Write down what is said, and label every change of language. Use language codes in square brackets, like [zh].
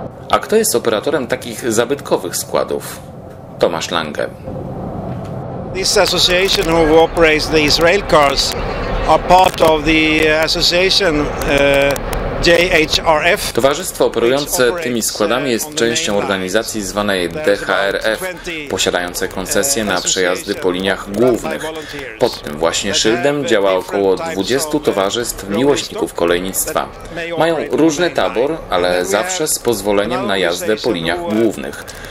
[pl] A kto jest operatorem takich zabytkowych składów? Tomasz Lange. [en] This association who operates these rail cars are part of the association JHRF. [pl] Towarzystwo operujące tymi składami jest częścią organizacji zwanej DHRF, posiadającej koncesje na przejazdy po liniach głównych. Pod tym właśnie szyldem działa około 20 towarzystw miłośników kolejnictwa. Mają różny tabor, ale zawsze z pozwoleniem na jazdę po liniach głównych.